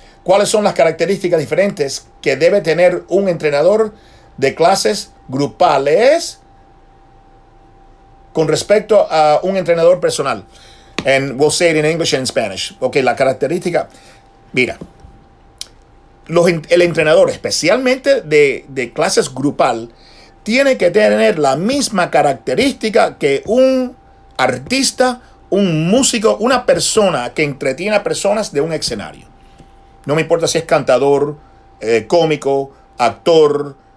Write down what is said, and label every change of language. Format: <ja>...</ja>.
<es>¿Cuáles son las características diferentes que debe tener un entrenador de clases grupales con respecto a un entrenador personal?</es> <en>And we'll say it in English and Spanish.</en> <es>Okay, la característica. Mira, el entrenador, especialmente de clases grupal, tiene que tener la misma característica que un artista, un músico, una persona que entretiene a personas de un escenario. No me importa si es cantador, cómico, actor,</es>